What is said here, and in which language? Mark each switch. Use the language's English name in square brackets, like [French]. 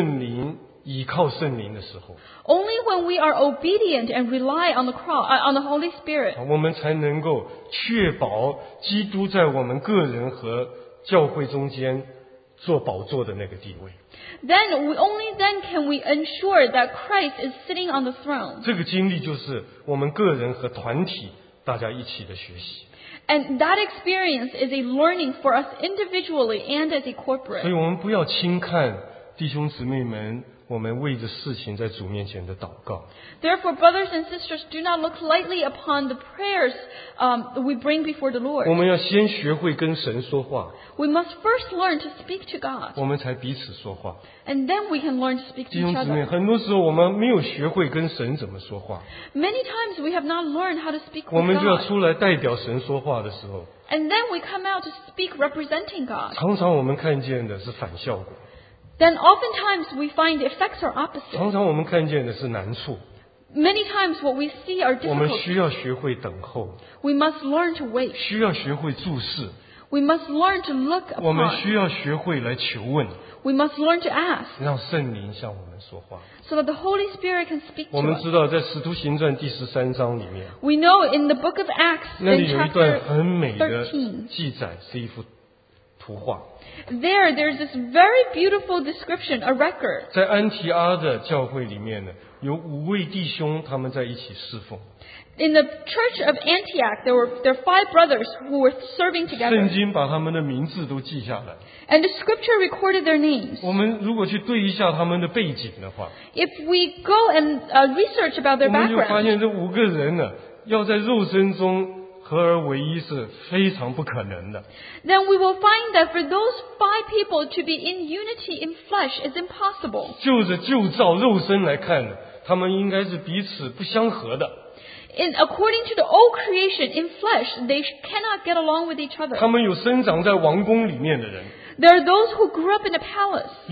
[Chinese] 唯有当我们顺服圣灵，倚靠圣灵的时候。 [English] Only when we are obedient and rely on the cross, on the Holy Spirit. [Chinese] 我们才能够确保基督在我们个人和教会中间做宝座的那个地位。 [English] Then only then can we ensure that Christ is sitting on the throne. [Chinese] 这个经历就是我们个人和团体大家一起的学习。 [English] And that experience is a learning for us individually and as a corporate. [Chinese] 所以我们不要轻看弟兄姊妹们，我们为着事情在主面前的祷告。 [English] Therefore, brothers and sisters, do not look lightly upon the prayers we bring before the Lord. [Chinese] 我们要先学会跟神说话。 [English] We must first learn to speak to God. [Chinese] 我们才彼此说话。 [English] And then we can learn to speak to each other. [Chinese] 弟兄姊妹，很多时候我们没有学会跟神怎么说话。 [English] Many times we have not learned how to speak with God. [Chinese] 我们就要出来代表神说话的时候。 [English] And then we come out to speak representing God. [Chinese] 常常我们看见的是反效果。 [English] Then oftentimes we find the effects are opposite. [Chinese] 常常我们看见的是难处。 [English] Many times what we see are difficult. [Chinese] 我们需要学会等候, [English] we must learn to wait. [Chinese] 需要学会注视, [English] we must learn to look upon. [Chinese] 我们需要学会来求问, [English] we must learn to ask. [Chinese] 让圣灵向我们说话, [English] so that the Holy Spirit can speak to us. [Chinese] 我们知道在使徒行传第13章里面, [English] we know in the book of Acts, [Chinese] 那里有一段很美的记载, 是一幅图画。 [English] There's this very beautiful description, a record. [Chinese] 在安提阿的教会里面呢, 有五位弟兄他们在一起侍奉。 [English] In the church of Antioch, there were five brothers who were serving together. [Chinese] 圣经把他们的名字都记下来。 [English] And the scripture recorded their names. [Chinese] 我们如果去对一下他们的背景的话, [English] if we go and research about their background, [Chinese] 我们就发现这五个人呢, 要在肉身中合而为一是非常不可能的。 [English] Then we will find that for those five people to be in unity in flesh is impossible. [Chinese] 就着旧造肉身来看呢, 他们应该是彼此不相合的。 [English] According to the old creation, in flesh, they cannot get along with each other. [Chinese] 他们有生长在王宫里面的人。 [English] There are those who grew up in a palace.